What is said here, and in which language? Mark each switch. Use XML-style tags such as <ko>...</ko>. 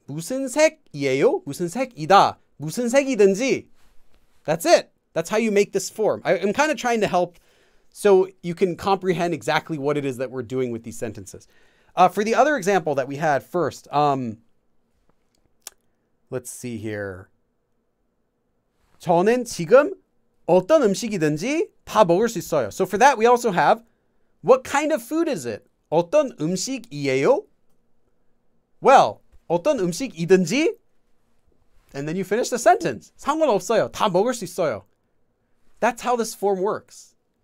<ko>무슨 색이에요? 무슨 색이다? 무슨 색이든지?</ko> <en>That's it. That's how you make this form. I'm kind of trying to help so you can comprehend exactly what it is that we're doing with these sentences. For the other example that we had first, let's see here.</en> <ko>저는 지금 어떤 음식이든지 다 먹을 수 있어요.</ko> <en>So for that, we also have, what kind of food is it?</en> <ko>어떤 음식이에요? Well, 어떤 음식이든지</ko> <en>And then you finish the sentence.</en> <ko>상관없어요. 다 먹을 수 있어요.</ko> <en>That's how this form works.</en>